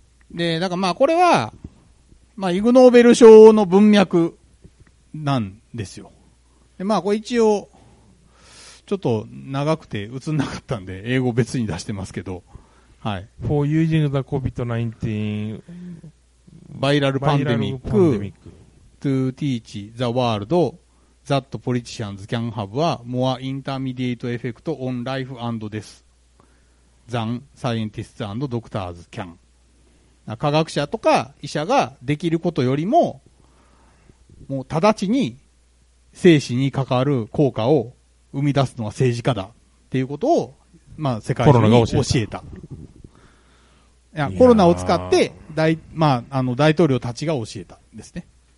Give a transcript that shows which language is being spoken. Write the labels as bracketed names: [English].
[Japanese] でだからまあこれは、まあ、イグノーベル賞の文脈なんですよ。でまあこれ一応ちょっと長くて映んなかったんで英語別に出してますけど、はい、 [English] For using the COVID-19 バイラルパンデミック To teach the worldThat politicians can have a more intermediate effect on life and death than scientists and doctors can。 [Japanese] 科学者とか医者ができることよりも、もう直ちに生死に関わる効果を生み出すのは政治家だっていうことを、まあ世界中に教えた。コロナが教えた。いや、コロナを使って大、まあ、あの大統領たちが教えたんですね。